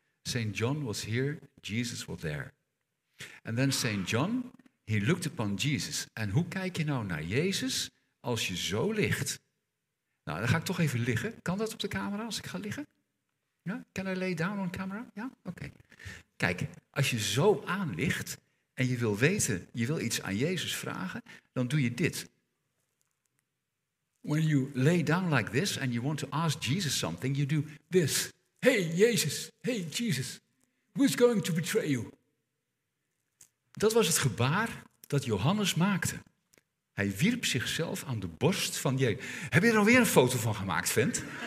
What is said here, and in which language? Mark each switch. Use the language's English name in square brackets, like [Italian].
[English] Saint John was here, Jesus was there. And then Saint John, he looked upon Jesus. [Dutch] En hoe kijk je nou naar Jezus als je zo ligt? Nou, dan ga ik toch even liggen. Kan dat op de camera als ik ga liggen? [English] Ja? Can I lay down on camera? Ja? Oké. [Dutch] Kijk, als je zo aan ligt en je wil weten, je wil iets aan Jezus vragen, dan doe je dit. [English] When you lay down like this and you want to ask Jesus something, you do this. Hey, Jesus. Hey, Jesus. Who's going to betray you? [Dutch] Dat was het gebaar dat Johannes maakte. Hij wierp zichzelf aan de borst van Jezus. Heb je er alweer een foto van gemaakt, vent?